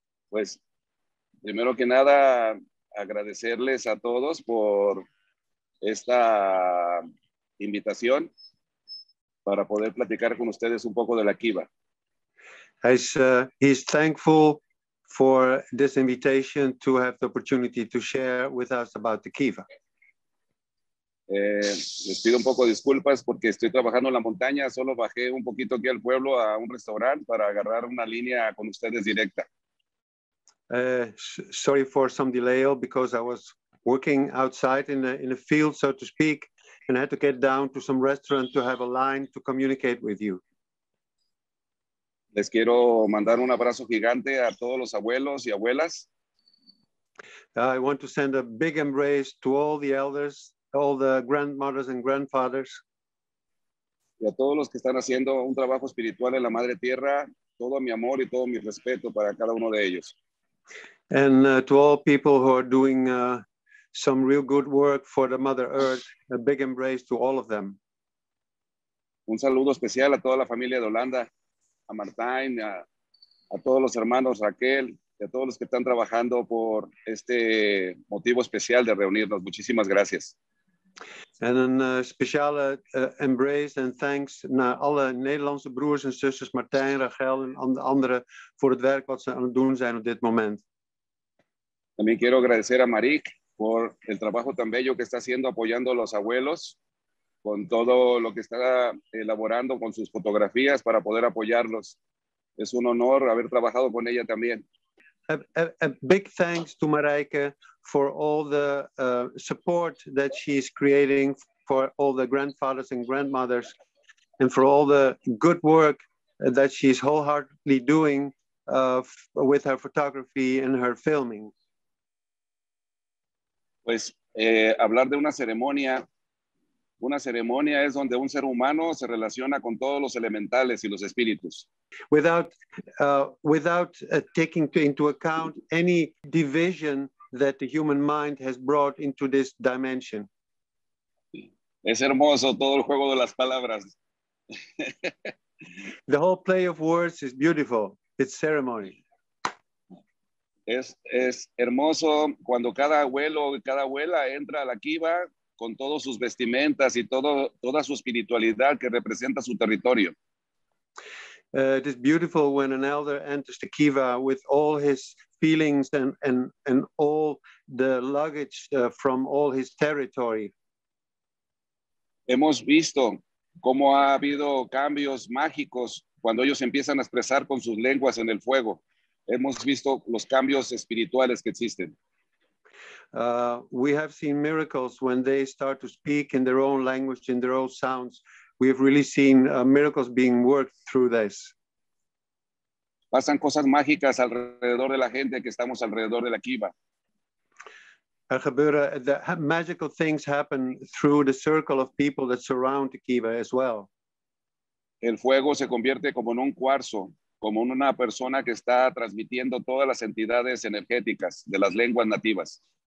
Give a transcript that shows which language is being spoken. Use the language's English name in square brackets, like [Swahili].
[Spanish] Pues, primero que nada, agradecerles a todos por esta invitación para poder platicar con ustedes un poco de la Kiva. [English] He's thankful for this invitation to have the opportunity to share with us about the Kiva. [Spanish] Les pido un poco de disculpas porque estoy trabajando en la montaña, solo bajé un poquito aquí al pueblo a un restaurante para agarrar una línea con ustedes directa. [English] Sorry for some delay because I was working outside in the field, so to speak, and I had to get down to some restaurant to have a line to communicate with you. [Spanish] Les quiero mandar un abrazo gigante a todos los abuelos y abuelas. [English] I want to send a big embrace to all the elders, all the grandmothers and grandfathers. [Spanish] Y a todos los que están haciendo un trabajo espiritual en la Madre Tierra, todo mi amor y todo mi respeto para cada uno de ellos. [English] And to all people who are doing some real good work for the Mother Earth, a big embrace to all of them. [Spanish] Un saludo especial a toda la familia de Holanda. A Martijn, a todos los hermanos Raquel, y a todos los que están trabajando por este motivo especial de reunirnos. Muchísimas gracias. [English] And a special embrace and thanks [Dutch] naar alle Nederlandse broers en zusters Martijn, Raquel en anderen voor het werk wat ze aan het doen zijn op dit moment. [Spanish] También quiero agradecer a Marijke por el trabajo tan bello que está haciendo apoyando a los abuelos. Con todo lo que está elaborando con sus fotografías para poder apoyarlos. Es un honor haber trabajado con ella también. [English] A big thanks to Marijke for all the support that she's creating for all the grandfathers and grandmothers and for all the good work that she's wholeheartedly doing with her photography and her filming. [Spanish] Pues hablar de una ceremonia. Una ceremonia es donde un ser humano se relaciona con todos los elementales y los espíritus. [English] Without taking into account any division that the human mind has brought into this dimension. [Spanish] Es hermoso todo el juego de las palabras. [English] The whole play of words is beautiful. It's ceremony. [Spanish] Es hermoso cuando cada abuelo y cada abuela entra a la Kiva con todos sus vestimentas y toda su espiritualidad que representa su territorio. [English] It is beautiful when an elder enters the Kiva with all his feelings and all the luggage from all his territory. [Spanish] Hemos visto cómo ha habido cambios mágicos cuando ellos empiezan a expresar con sus lenguas en el fuego. Hemos visto los cambios espirituales que existen. [English] We have seen miracles when they start to speak in their own language, in their own sounds. We have really seen miracles being worked through this. [Spanish] Pasan cosas mágicas alrededor de la gente que estamos alrededor de la Kiva. [English] The magical things happen through the circle of people that surround the Kiva as well. [Spanish] El fuego se convierte como en un cuarzo, como en una persona que está transmitiendo todas las entidades energéticas de las lenguas nativas.